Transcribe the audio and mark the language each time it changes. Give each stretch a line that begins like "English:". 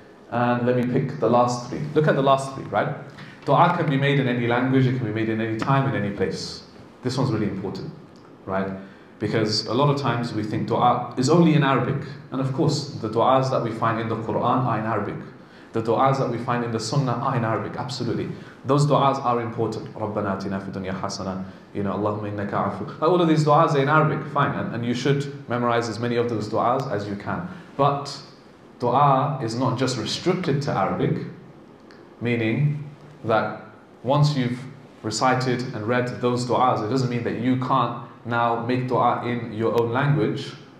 English: And let me pick the last three. Look at the last three, right? Dua can be made in any language, it can be made in any time, in any place. This one's really important, right? Because a lot of times we think dua is only in Arabic. And of course, the duas that we find in the Quran are in Arabic. The duas that we find in the Sunnah are in Arabic, absolutely. Those duas are important.
Arabic: رَبَّنَا أَتِنَا فِي دُنْيَا حَسَنًا
English: You know,
Arabic: اللَّهُمَّ إِنَّكَ عَفُوٌّ.
English: All of these duas are in Arabic, fine. And you should memorize as many of those duas as you can. But dua is not just restricted to Arabic, meaning that once you've recited and read those duas, it doesn't mean that you can't now make dua in your own language.